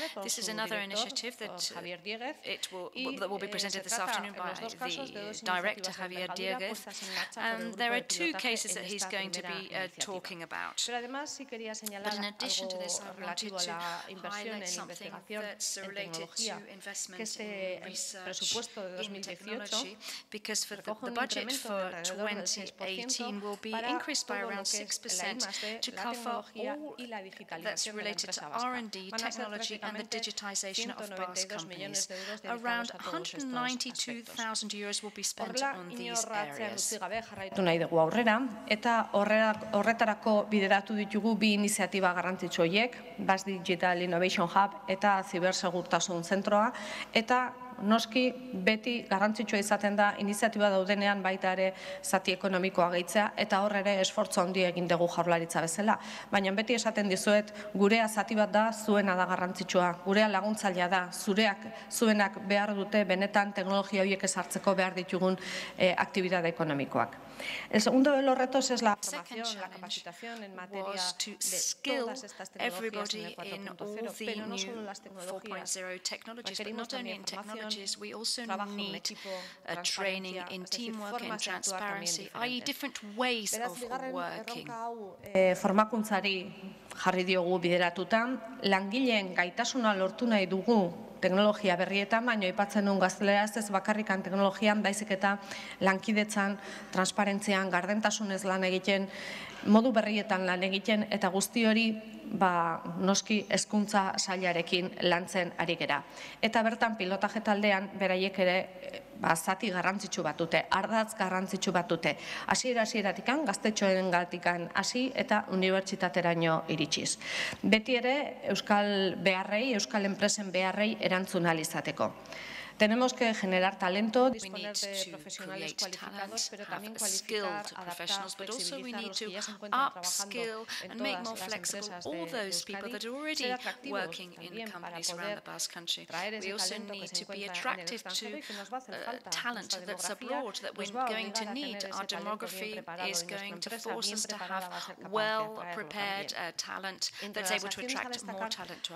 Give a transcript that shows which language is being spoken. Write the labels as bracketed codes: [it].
[en] This is another initiative that will be presented this afternoon by the director, Javier Dieguez, and there are two cases that he's going to be talking about. But in addition to this, I wanted to highlight something that's related [es] tecnología, que este presupuesto de 2018 recoge un incremento de alrededor del 6% para todo lo que es la I+D, la tecnología y la digitalización de la empresa vasca. Van a ser prácticamente 192 millones de euros dedicados a todos estos aspectos. [eu] Horrela, inorratzen duzik gabe jarraitu nahi dugu aurrera, eta horretarako bideratu ditugu bi iniziatiba garrantzitsu horiek, Basque Digital Innovation Hub eta Zibersegurtasun Zentroa, eta noski beti garrantzitsua izaten da iniziatiba daudenean baita ere zati ekonomikoa gehitzea, eta horre ere esfortzu handi egin dugu Jaurlaritza bezala. Baina beti esaten dizuet, gurea zati bat da, zuena da garrantzitsua, gurea laguntzailea da, zureak, zuenak behar dute benetan teknologia horiek ezartzeko behar ditugun aktibitate ekonomikoak. [es] El segundo de los retos es la formación, la capacitación en materia de todas estas tecnologías en el 4.0, pero no solo las tecnologías, requerimos también formación, trabajo en equipo, transparencia, es decir, formas de actuar también diferentes. [eu] Beraz, bigarren erronka hau formakuntzari jarri diogu bideratuta, langileen gaitasuna lortu nahi dugu, teknologia berrietan, baina aipatzen duen gazteleraz ez bakarrikan teknologian, baizik eta lankidetzan, transparentzian, gardentasunez lan egiten, modu berrietan lan egiten, eta guzti hori noski hezkuntza sailarekin lantzen ari gera. Eta bertan pilotaje taldean beraiek ere zati garrantzitsu bat dute, ardatz garrantzitsu bat dute. Hasiera-hasieratik, gaztetxoen galtikan hasi eta unibertsitateraino iritsiz. Beti ere euskal beharrei, euskal enpresen beharrei erantzun ahal izateko. [es] Tenemos que generar talento, disponer de profesionales cualificados, pero también cualificar, adaptar, flexibilizar los que ya se encuentran trabajando en todas las empresas de Euskadi, ser atractivos también para poder traer ese talento que se encuentra en el extranjero y que nos va a hacer falta en nuestra demografía, nos va a obligar a tener ese talento bien preparado en nuestra empresa, bien preparada va a ser capaz de atraerlo también.